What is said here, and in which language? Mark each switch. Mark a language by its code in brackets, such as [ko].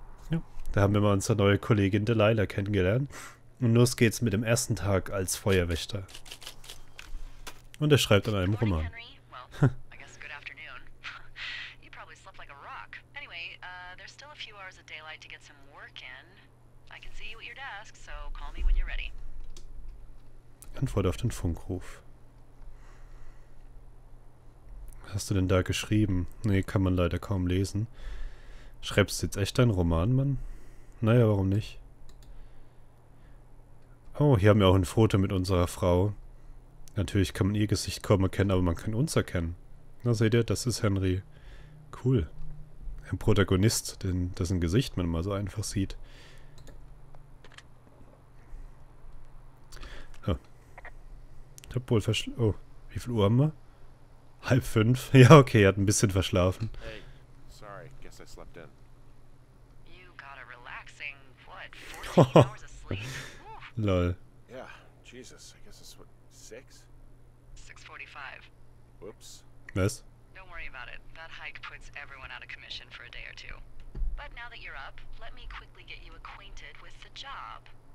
[de] Ja, da haben wir mal unsere neue Kollegin Delilah kennengelernt. Und los geht's mit dem ersten Tag als Feuerwächter. Und er schreibt an einem [en] Good morning, [de] Roman. [en] Henry. Well, I guess good afternoon. You probably slept like a rock. Anyway, there's still a few hours of daylight to get some work in. I can see you at your desk, so call me when you're ready. [de] Antwort auf den Funkruf. Was hast du denn da geschrieben? Nee, kann man leider kaum lesen. Schreibst du jetzt echt deinen Roman, Mann? Naja, warum nicht? Oh, hier haben wir auch ein Foto mit unserer Frau. Natürlich kann man ihr Gesicht kaum erkennen, aber man kann uns erkennen. Na, seht ihr, das ist Henry. Cool. Ein Protagonist, dessen Gesicht man mal so einfach sieht. Ich hab wohl verschlafen. Oh, wie viel Uhr haben wir? 16:30. Ja, okay, er hat ein bisschen verschlafen. [en] Hey, sorry, guess I slept in. You got a relaxing, what, 14 hours of sleep? Lol. Yeah, Jesus, I guess it's what, 6? 6:45. Whoops. [de] Was? [en] Don't worry about it. That hike puts everyone out of commission for a day or two. But now that you're up, let me quickly get you acquainted with the job.